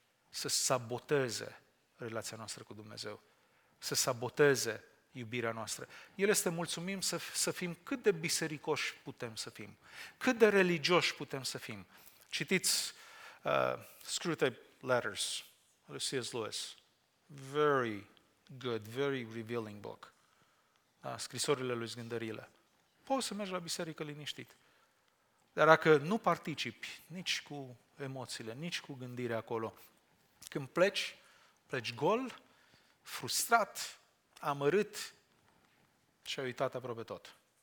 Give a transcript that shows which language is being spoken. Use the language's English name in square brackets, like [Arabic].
[Romanian] Să saboteze relația noastră cu Dumnezeu. Să saboteze iubirea noastră. El este mulțumim să fim cât de bisericoși putem să fim. Cât de religioși putem să fim. Citiți Screwtape Letters, C.S. Lewis. [English] Very good, very revealing book. [Romanian] Da, scrisorile lui Zgândările. Poți să mergi la biserică liniștit. Dar dacă nu participi nici cu emoțiile, nici cu gândirea acolo, când pleci, pleci gol, frustrat, amărât și ai uitat aproape tot.